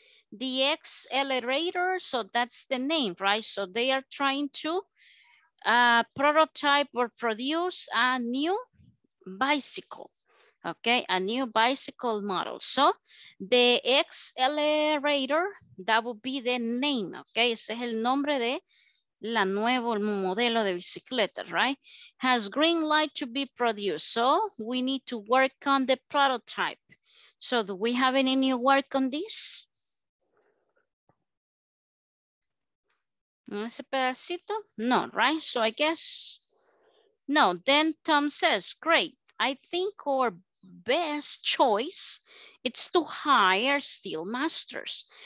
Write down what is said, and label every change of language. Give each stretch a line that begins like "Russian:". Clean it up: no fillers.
English: The X elevator, so that's the name, right? So they are trying to prototype or produce a new bicycle. Okay, a new bicycle model. So the X elevator, that would be the name, okay?
Spanish: Ese es el nombre de la nuevo modelo de bicicleta,
English: right? Has green light to be produced. So we need to work on the prototype. So do we have any new work on this?
Spanish: Ese pedacito? No,
English: right? So I guess, no. Then Tom says, great, I think our best choice is to hire steel masters.